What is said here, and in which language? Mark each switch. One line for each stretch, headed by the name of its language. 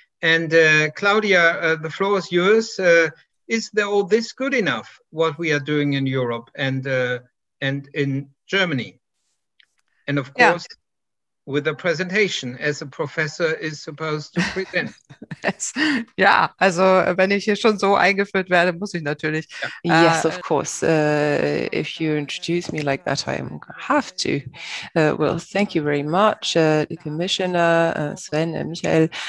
English: And Claudia, the floor is yours. Is there all this good enough, what we are doing in Europe and in Germany? And of course, with a presentation, as a professor is supposed to present.
German: Ja, also wenn ich hier schon so eingeführt werde, muss ich natürlich.
English: Yes, of course. If you introduce me like that, I have to. Well, thank you very much, the Commissioner, Sven and Michael.